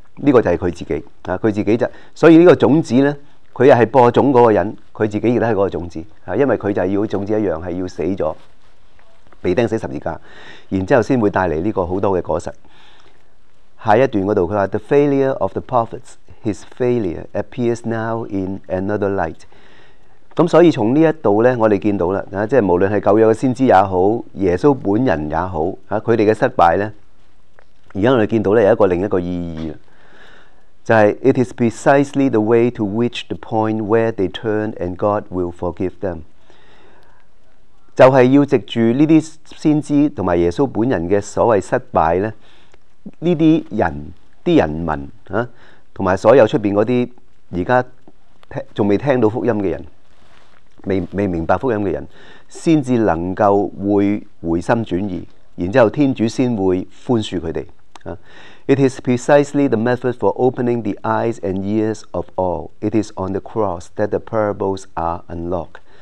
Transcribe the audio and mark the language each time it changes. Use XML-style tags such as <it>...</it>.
<zh>这个就是他自己，他自己就，所以这个种子呢，他又是播种的人，他自己也是那个种子，因为他就要种子一样是要死了，被钉死十字架，然后才会带来这个很多的果实。下一段那里他说</zh> <en>The failure of the prophets, his failure appears now in another light。</en> <zh>所以从这里呢，我们看到了，即无论是旧约的先知也好，耶稣本人也好，他们的失败呢，现在我们看到有一个另一个意义，就是</zh> <en>It is precisely the way to reach the point where they turn and God will forgive them。</en> <zh>就是要藉着这些先知和耶稣本人的所谓失败呢，这些人的人民和所有外面那些现在听还没听到福音的人，未明白福音的人，才能够会回心转意，然后天主才会宽恕他们。</zh> <en>It is precisely the method for opening the eyes and ears of all. It is on the cross that the parables are unlocked.</en>